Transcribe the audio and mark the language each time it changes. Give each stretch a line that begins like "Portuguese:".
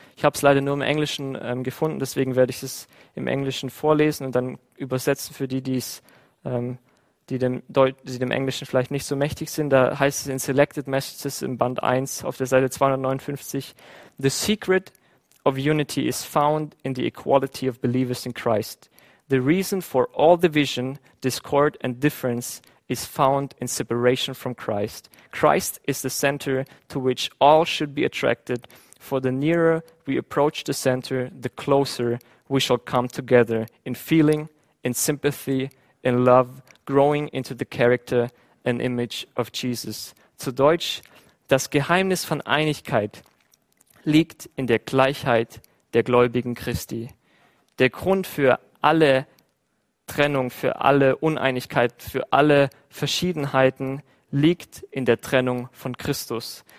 German: Ich habe es leider nur im Englischen gefunden, deswegen werde ich es im Englischen vorlesen und dann übersetzen für die, die dem Englischen vielleicht nicht so mächtig sind. Da heißt es in Selected Messages im Band 1 auf der Seite 259:
English: The secret of unity is found in the equality of believers in Christ. The reason for all division, discord and difference is found in separation from Christ. Christ is the center to which all should be attracted, for the nearer we approach the center, the closer we shall come together in feeling, in sympathy, in love, growing into the character and image of Jesus.
German: Zu Deutsch: Das Geheimnis von Einigkeit liegt in der Gleichheit der Gläubigen Christi. Der Grund für alle Trennung, für alle Uneinigkeit, für alle Verschiedenheiten liegt in der Trennung von Christus.